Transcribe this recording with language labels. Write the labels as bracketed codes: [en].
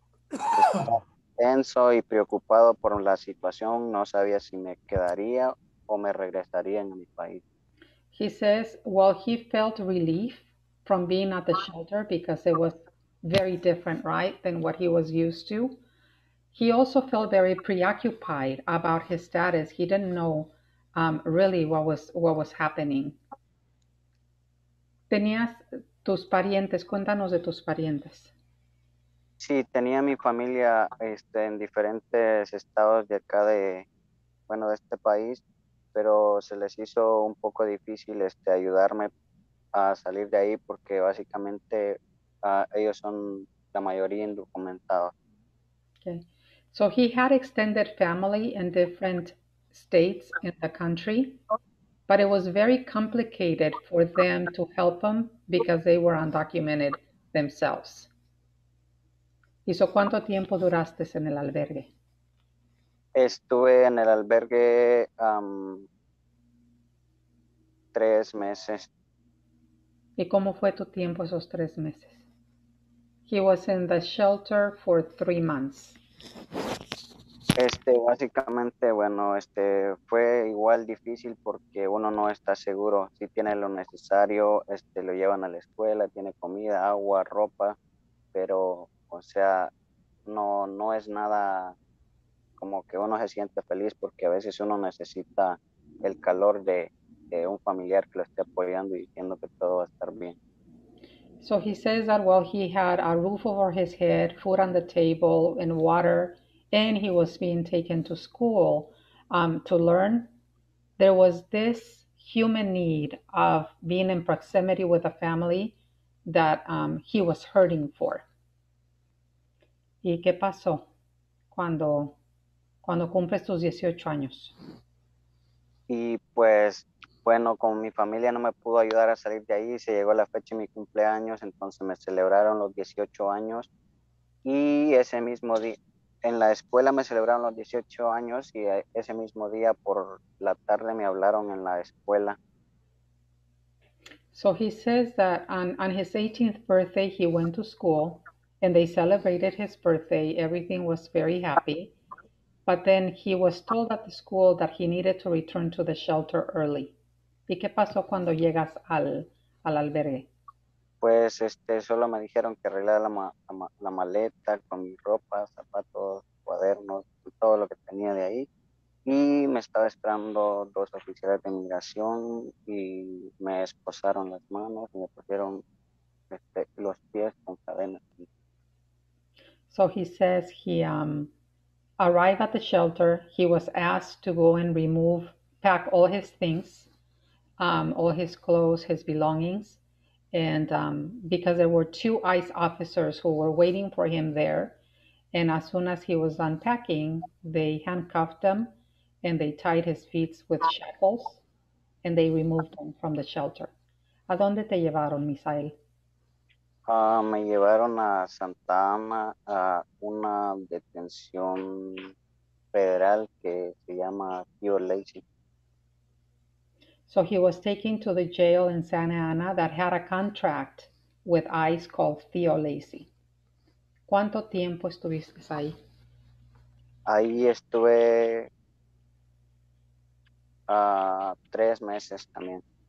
[es] Estaba tenso y preocupado por la situación, no sabía si me quedaría o me regresaría en mi país. [en] He says, well, he felt relief from being at the shelter because it was very different, right, than what he was used to. He also felt very preoccupied about his status. He didn't know really what was happening. [es] Tenías tus parientes, cuéntanos de tus parientes. Sí, tenía mi familia, en diferentes estados de acá bueno, de este país, pero se les hizo un poco difícil ayudarme a salir de ahí porque básicamente ellos son la mayoría indocumentados. [en] Okay. So he had extended family in different states in the country, but it was very complicated for them to help him because they were undocumented themselves. [es] ¿Y so cuánto tiempo duraste en el albergue? Estuve en el albergue 3 meses. ¿Y cómo fue tu tiempo esos 3 meses? [en] He was in the shelter for 3 months. [es] Básicamente, bueno, fue igual difícil porque uno no está seguro si tiene lo necesario, lo llevan a la escuela, tiene comida, agua, ropa, pero, o sea, no es nada. Como que uno se siente feliz porque a veces uno necesita el calor de un familiar que lo esté apoyando y diciendo que todo va a estar bien. [en] So he says that while he had a roof over his head, food on the table, and water, and he was being taken to school to learn, there was this human need of being in proximity with a family that he was hurting for. [es] ¿Y qué pasó cuando cumples tus 18 años? Y pues bueno, como mi familia no me pudo ayudar a salir de ahí, se llegó la fecha de mi cumpleaños, entonces me celebraron los 18 años. Y ese mismo día, en la escuela me celebraron los 18 años y ese mismo día por la tarde me hablaron en la escuela. [en] So he says that on his 18th birthday, he went to school and they celebrated his birthday. Everything was very happy. But then he was told at the school that he needed to return to the shelter early. [es] ¿Y qué pasó cuando llegas al albergue? Pues solo me dijeron que arreglara la maleta con mi ropa, zapatos, cuadernos, todo lo que tenía de ahí. Y me estaba esperando dos oficiales de inmigración y me esposaron las manos y me pusieron los pies con cadenas. [en] So he says he arrived at the shelter. He was asked to go and remove, pack all his things, all his clothes, his belongings. And because there were two ICE officers who were waiting for him there. And as soon as he was unpacking, they handcuffed him and they tied his feet with shackles and they removed him from the shelter. [es] ¿A dónde te llevaron, Misael? Me llevaron a Santa Ana a una detención federal que se llama Tío Lacey. [en] So he was taken to the jail in Santa Ana that had a contract with ICE called Theo Lacy. [es] ¿Cuánto tiempo estuviste ahí? Ahí estuve 3 meses también.